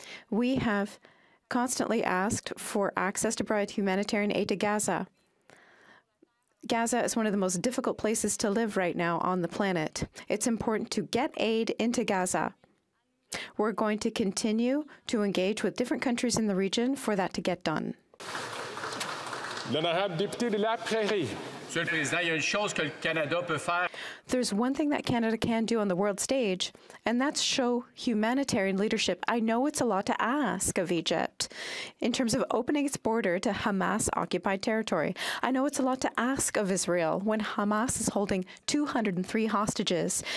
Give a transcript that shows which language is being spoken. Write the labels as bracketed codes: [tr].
[en] We have constantly asked for access to provide humanitarian aid to Gaza. Gaza is one of the most difficult places to live right now on the planet. It's important to get aid into Gaza. We're going to continue to engage with different countries in the region for that to get done. [fr] L'honorable député de La Prairie. Monsieur le Président, il y a une chose que le Canada peut faire. [en] There's one thing that Canada can do on the world stage, and that's show humanitarian leadership. I know it's a lot to ask of Egypt in terms of opening its border to Hamas-occupied territory. I know it's a lot to ask of Israel when Hamas is holding 203 hostages.